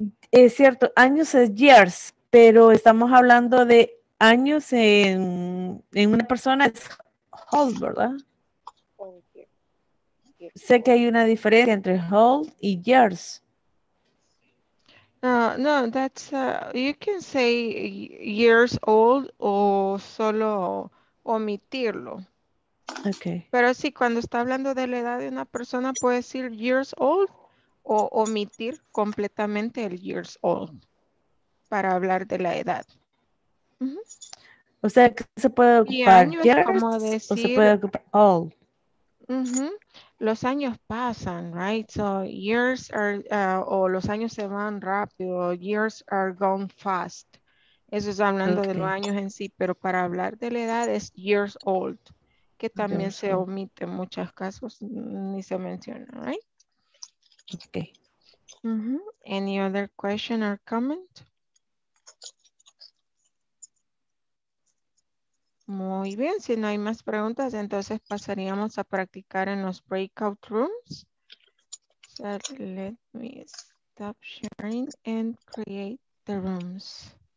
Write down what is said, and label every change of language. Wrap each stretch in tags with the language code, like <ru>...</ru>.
<es>Es cierto, años es years, pero estamos hablando de años en una persona, es old, ¿verdad? Sé que hay una diferencia entre hold y years.</es> <en>No, that's, you can say years old</en> <es>o solo omitirlo.</es> <en>Okay.</en> <es>Pero sí, cuando está hablando de la edad de una persona, puede decir years old o omitir completamente el years old para hablar de la edad. Uh-huh. O sea, ¿se puede ocupar years como decir... o se puede ocupar old? Uh-huh. Los años pasan, right?</es> <en>So years are,</en> <es>o los años se van rápido,</es> <en>years are gone fast.</en> <es>Eso es hablando okay. De los años en sí, pero para hablar de la edad es years old, que también okay. Se omite en muchos casos, ni se menciona, right?</es> <en>Okay. Mm-hmm. Any other question or comment? Teacher,</en> <es>Muy bien, si no hay más preguntas, entonces pasaríamos a practicar en los breakout rooms.</es> <en>So let me stop sharing and create the rooms.</en>